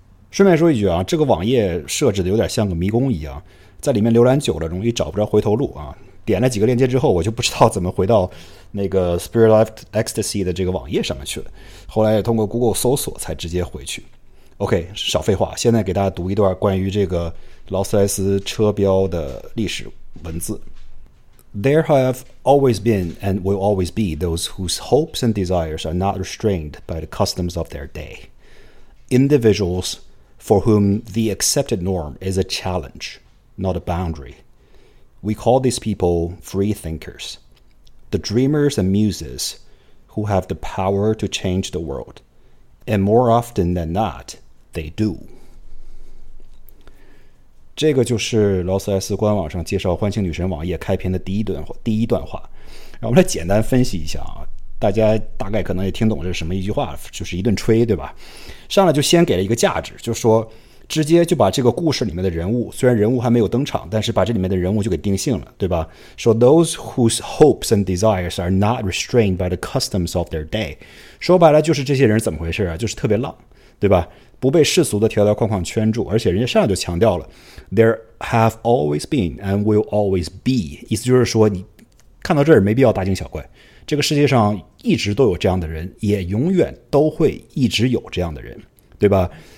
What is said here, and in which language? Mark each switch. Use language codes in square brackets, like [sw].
[zh] 顺便说一句啊，这个网页设置的有点像个迷宫一样，在里面浏览久了容易找不着回头路啊，点了几个链接之后我就不知道怎么回到那个 Spirit of Ecstasy 的这个网页上面去了，后来也通过 Google 搜索才直接回去。 OK， 少废话，现在给大家读一段关于这个劳斯莱斯车标的历史文字。 [en] There have always been and will always be those whose hopes and desires are not restrained by the customs of their day. Individuals for whom the accepted norm is a challenge, not a boundary. We call these people free thinkers, the dreamers and muses who have the power to change the world. And more often than not, they do. [zh] 这个就是劳斯莱斯官网上介绍欢庆女神网页开篇的第一段话。让我们来简单分析一下啊，大家大概可能也听懂这是什么一句话，就是一顿吹，对吧？上来就先给了一个价值，就说直接就把这个故事里面的人物，虽然人物还没有登场，但是把这里面的人物就给定性了，对吧？说 those whose hopes and desires are not restrained by the customs of their day，说白了就是这些人怎么回事啊？就是特别浪，对吧？不被世俗的条条框框圈住，而且人家上来就强调了 there have always been and will always be，意思就是说你看到这儿没必要大惊小怪，这个世界上一直都有这样的人，也永远都会一直有这样的人，对吧？